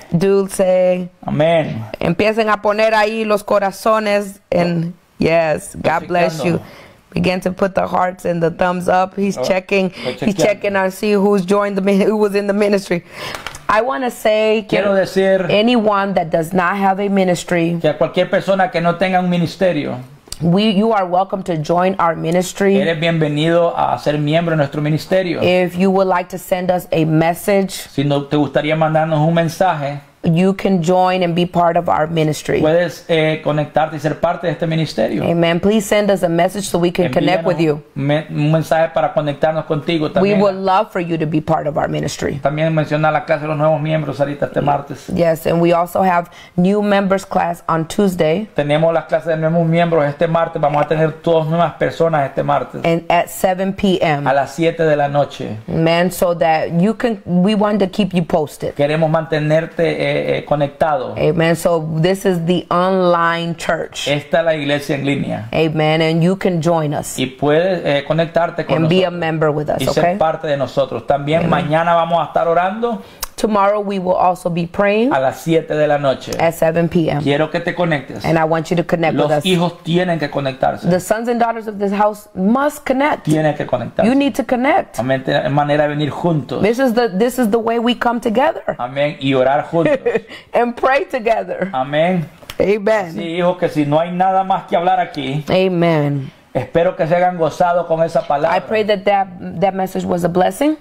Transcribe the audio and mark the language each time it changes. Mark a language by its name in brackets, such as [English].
[Spanish] Dulce. Amén. Empiecen a poner ahí los corazones. [English] And yes, God bless you. Begin to put the hearts and the thumbs up. He's checking. He's checking on see who's joined the who was in the ministry. I want to say, [Spanish] quiero decir, [English] anyone that does not have a ministry, [Spanish] que a cualquier persona que no tenga un ministerio, [English] you are welcome to join our ministry. [Spanish] Eres bienvenido a ser miembro de nuestro ministerio. [English] If you would like to send us a message, [Spanish] si no te gustaría mandarnos un mensaje, [English] you can join and be part of our ministry. [Spanish] Puedes conectarte y ser parte de este ministerio. [English] Amen. Please send us a message so we can [Spanish] envíanos [English] connect with you. [Spanish] Un mensaje para conectarnos contigo también. [English] We would love for you to be part of our ministry. [Spanish] También menciona la clase de los nuevos miembros ahorita este martes. [English] Yes, and we also have new members class on Tuesday. [Spanish] Tenemos las clases de nuevos miembros este martes. Vamos a tener todas nuevas personas este martes. [English] And at 7 p.m. [Spanish] A las 7 de la noche. [English] Amen. So that you can, we want to keep you posted. [Spanish] Queremos mantenerte conectado. [English] Amen. So this is the online church. [Spanish] Esta es la iglesia en línea. [English] Amen. And you can join us. [Spanish] Y puedes conectarte con [English] and [Spanish] nosotros. [English] And be a member with us, [Spanish] y [English] okay? [Spanish] Y ser parte de nosotros. También amen. Mañana vamos a estar orando. [English] Tomorrow we will also be praying. [Spanish] A las 7 de la noche. [English] At 7 p.m. [Spanish] Quiero que te conectes. [English] And I want you to connect [Spanish] los [English] with us. [Spanish] Los hijos tienen que conectarse. [English] The sons and daughters of this house must connect. [Spanish] Tienen que conectarse. [English] You need to connect. [Spanish] Amén. Es manera de venir juntos. [English] This is the way we come together. [Spanish] Amén. Y orar juntos. [English] And pray together. [Spanish] Amén. [English] Amen. [Spanish] Sí, hijo, que si no hay nada más que hablar aquí. [English] Amen. [Spanish] Espero que se hayan gozado con esa palabra. [English] I pray that that message was a blessing.